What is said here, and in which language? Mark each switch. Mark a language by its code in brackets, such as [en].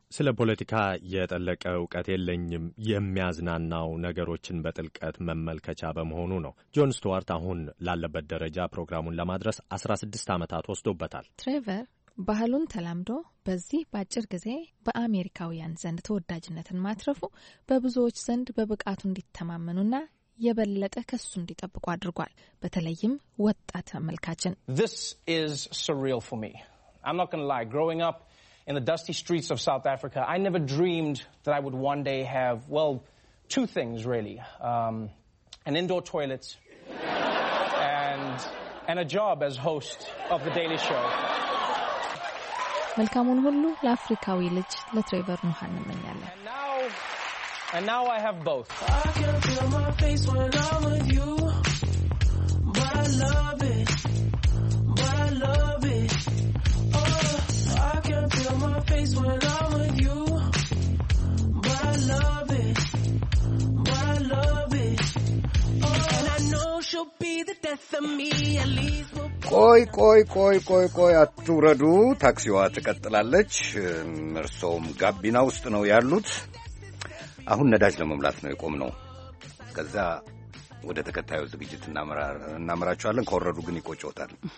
[am] ስለ ፖለቲካ የጠለቀ እውቀት የለኝም፣ የሚያዝናናው ነገሮችን በጥልቀት መመልከቻ በመሆኑ ነው። ጆን ስቱዋርት አሁን ላለበት ደረጃ ፕሮግራሙን ለማድረስ 16 ዓመታት ወስዶበታል። ትሬቨር ባህሉን ተላምዶ በዚህ ባጭር ጊዜ በአሜሪካውያን ዘንድ ተወዳጅነትን ማትረፉ በብዙዎች ዘንድ በብቃቱ እንዲተማመኑና የበለጠ ከሱ እንዲጠብቁ አድርጓል። በተለይም ወጣት ተመልካችን [en] This is surreal for me. I'm not going to lie, growing up in the dusty streets of South Africa, I never dreamed that I would one day have, well, two things really. an indoor toilet, and a job as host of the Daily Show. [am] መልካሙን ሁሉ ለአፍሪካዊ ልጅ ለትሬቨር ሙሃንም እንመኛለን። [en] And now I have both. I can feel my face when I'm with you. But I love it. But I love it. Oh, I can feel my face when I'm with you. But I love it. But I love it. Oh, and I know she'll be the death of me. At least we'll... [am] ቆይ ቆይ ቆይ ቆይ ቆይ አትውረዱ። ታክሲዋ ተቀጥላለች። መርሶም ጋቢና ውስጥ ነው ያሉት። አሁን ነዳጅ ለመምላት ነው የቆምነው። ከዛ ወደ ተከታዩ ዝግጅት እናመራቸዋለን። ከወረዱ ግን ይቆጨውታል።